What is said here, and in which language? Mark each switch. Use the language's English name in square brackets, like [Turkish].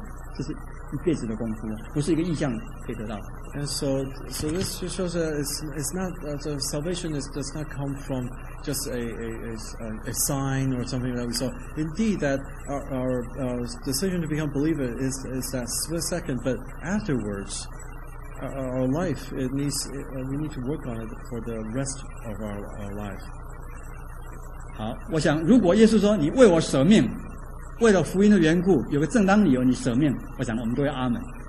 [Chinese] 耶稣基督十字架的能力是要让一个人的生命的改变，这个能力是在怎么样？就不是说一个意象来了，不是的。我们的改变，我们的得救可能是一个瞬间的神的大能，但是你的生命的造就，神要把你这个人造就成他要的，这是一辈子的功夫，不是一个意象可以得到的。 [English] And so this just shows that it's not the salvation is does not come from just a sign or something that we saw. Indeed, that our decision to become believer is that split second, but afterwards, our life it needs we need to work on it for the rest of our life. [Chinese] 好，我想如果耶稣说你为我舍命，为了福音的缘故，有个正当理由你舍命，我想我们都要阿门。